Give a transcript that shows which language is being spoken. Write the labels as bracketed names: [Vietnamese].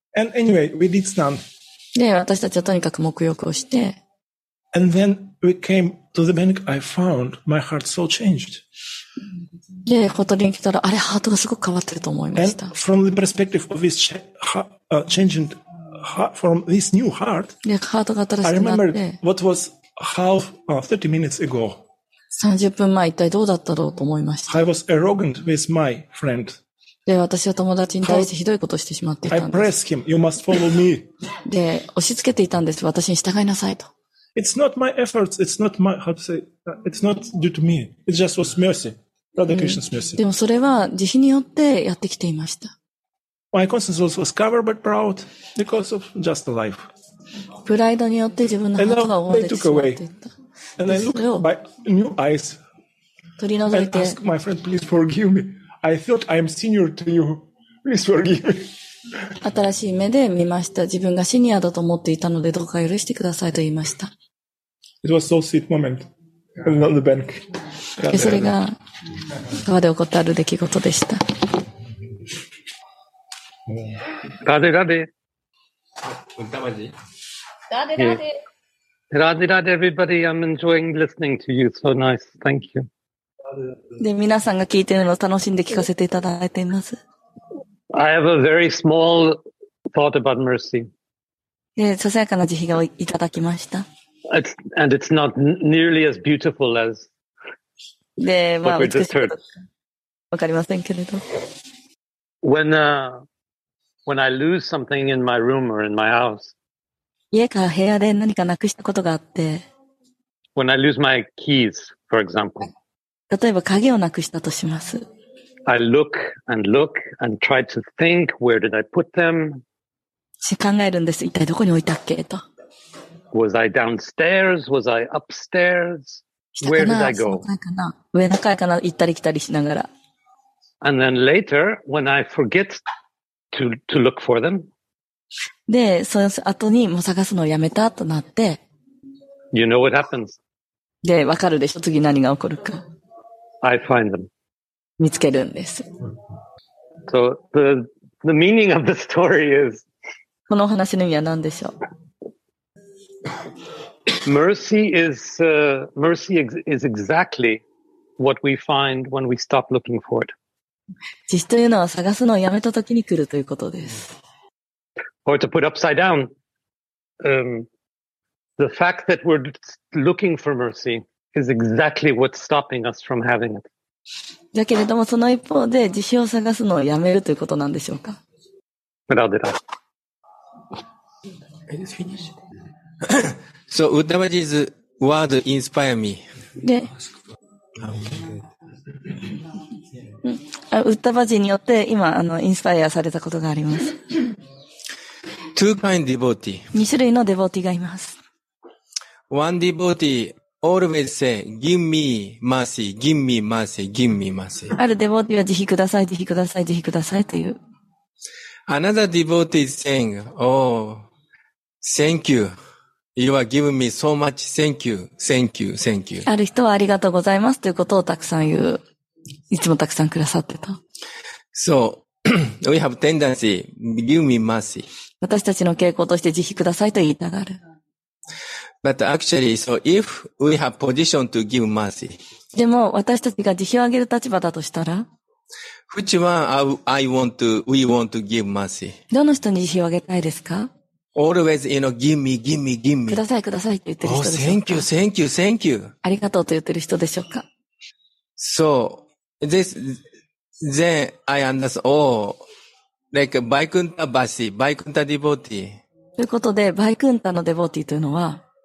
[English] And anyway, we did stand. [Japanese] で、私たちはとにかく沐浴をして。 [English] And then we came to the bank, I found my heart so changed. [Japanese] で、ほとりに来たら、あれ、ハートがすごく変わってると思いました。 [English] And from the perspective of this changing heart, from this new heart, [Japanese] で、ハートが新しくなって、 [English] I remembered what was half, 30 minutes ago. [Japanese] 30分前一体どうだったろうと思いました。 [English] I was arrogant with my friend. [Japanese] で、私は友達に対してひどいことをしてしまっていたんです。 [English] I press him, you must follow me. [Japanese] で、押し付けていたんです。私に従いなさいと。 [English] It's not my efforts, it's not my, how to say, it's not due to me. It just was mercy. Radha Krishna's mercy. [Japanese] でもそれは慈悲によってやってきていました。 [English] My conscience was covered but proud because of just the life. [Japanese] プライドによって自分のハートが覆われてしまっていた。 [English] And I look by new eyes and ask my friend, please forgive me. I thought I am senior to you. Please forgive me. [Japanese] 新しい目で見ました。自分がシニアだと思っていたので、どうか許してくださいと言いました。 [English] It was so sweet moment. And on the bank. [Japanese] それが川で起こったある出来事でした。ラデラデ。うんたまじ。ラデラデ。 [English] ラデラデ、everybody. I'm enjoying listening to you. So nice. Thank you. [Japanese] で、皆さんが聞いているのを楽しんで聞かせていただいています。 [English] I have a very small thought about mercy. [Japanese] ささやかな慈悲をいただきました。 [English] And it's not nearly as beautiful as what we just heard. [Japanese] わかりませんけれど。 [English] When I lose something in my room or in my house. [Japanese] 家か部屋で何かなくしたことがあって。 [English] When I lose my keys, for example. [Japanese] 例えば鍵をなくしたとします。 [English] I look and look and try to think, where did I put them? [Japanese] 考えるんです。一体どこに置いたっけと。 [English] Was I downstairs? Was I upstairs? Where did I go? [Japanese] 下かな、上の階かな、行ったり来たりしながら。 [English] And then later, when I forget to look for them. [Japanese] で、その後にもう探すのをやめたとなって。 [English] You know what happens. [Japanese] で、わかるでしょ。次何が起こるか。 [English] I find them. [Japanese] 見つけるんです。 [English] So, the meaning of the story is, [Japanese] このお話の意味は何でしょう? [English] Mercy is exactly what we find when we stop looking for it. [Japanese] 慈悲というのは探すのをやめた時に来るということです。 [English] Or to put upside down, the fact that we're looking for mercy is exactly what's stopping us from having it. [Japanese] だけれども、その一方で、慈悲を探すのをやめるということなんでしょうか? ラデラ。 [English] So, Uddhavaji's word inspire me. [Japanese] で、Uddhavaji によって今、インスパイアされたことがあります。 [English] Two kind devotee. [Japanese] 2種類のデボーティーがいます。 [English] One devotee,Always say, give me mercy, give me mercy, give me mercy. [Japanese] あるデボーティーは慈悲ください、慈悲ください、慈悲くださいという。 [English] Another devotee is saying, oh, thank you. You are giving me so much. Thank you, thank you, thank you. [Japanese] ある人はありがとうございますということをたくさん言う。いつもたくさんくださってた。 [English] So, we have tendency, give me mercy. [Japanese] 私たちの傾向として慈悲くださいと言いたがる。 [English] But actually, so if we have position to give mercy. [Japanese] でも私たちが慈悲をあげる立場だとしたら [English] Which one we want to give mercy? [Japanese] どの人に慈悲をあげたいですか [English] Always, you know, give me, give me, give me. [Japanese] くださいくださいって言ってる人でしょうか [English] Oh, thank you, thank you, thank you. [Japanese] ありがとうと言ってる人でしょうか [English] So, then I understand, oh, like Vaikuntha Basi, Vaikuntha Devotee. [Japanese] ということで、Vaikuntha のデボーティーというのは